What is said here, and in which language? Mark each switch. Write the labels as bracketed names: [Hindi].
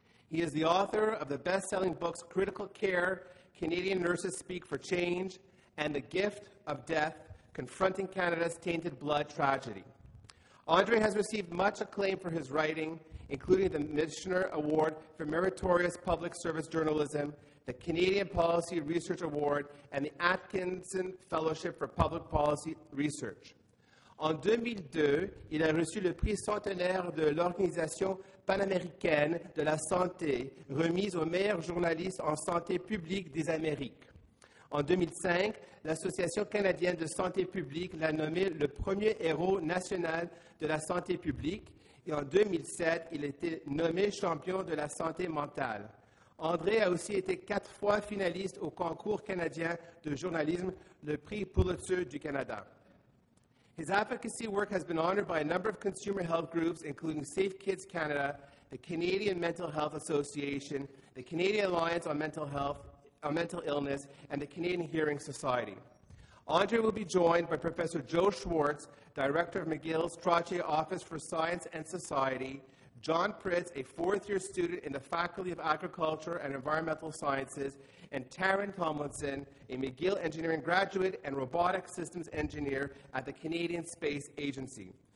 [English] He is the author of the best-selling books Critical Care, Canadian Nurses Speak for Change, and The Gift of Death, Confronting Canada's Tainted Blood Tragedy. André has received much acclaim for his writing, including the Michener Award for Meritorious Public Service Journalism, the Canadian Policy Research Award, and the Atkinson Fellowship for Public Policy Research. [French] En 2002, il a reçu le prix centenaire de l'Organisation panaméricaine de la santé, remis au meilleur journaliste en santé publique des Amériques. En 2005, l'Association canadienne de santé publique l'a nommé le premier héros national de la santé publique, et en 2007, il a été nommé champion de la santé mentale. André a aussi été quatre fois finaliste au concours canadien de journalisme, le prix Pulitzer du Canada. [English] His advocacy work has been honored by a number of consumer health groups, including Safe Kids Canada, the Canadian Mental Health Association, the Canadian Alliance on Mental Illness, and the Canadian Hearing Society. André will be joined by Professor Joe Schwartz, Director of McGill's Strache Office for Science and Society, John Pritz, a fourth-year student in the Faculty of Agriculture and Environmental Sciences, and Taryn Tomlinson, a McGill Engineering graduate and robotic systems engineer at the Canadian Space Agency.